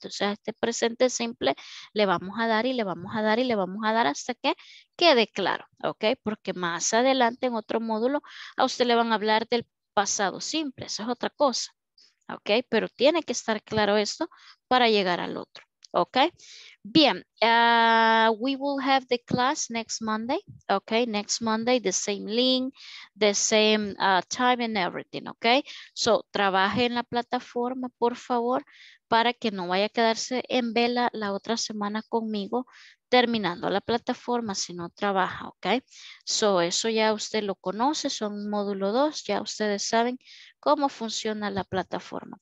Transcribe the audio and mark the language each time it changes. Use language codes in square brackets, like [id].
[es] Entonces, a este presente simple le vamos a dar y le vamos a dar y le vamos a dar hasta que quede claro, ¿ok? Porque más adelante en otro módulo a usted le van a hablar del pasado simple. Eso es otra cosa, ¿ok? Pero tiene que estar claro esto para llegar al otro, ¿ok? [en] Bien, we will have the class next Monday, okay? Next Monday, the same link, the same time and everything, okay? [es] So, trabaje en la plataforma, por favor, para que no vaya a quedarse en vela la otra semana conmigo terminando la plataforma si no trabaja, okay? So, eso ya usted lo conoce, son módulo 2, ya ustedes saben cómo funciona la plataforma.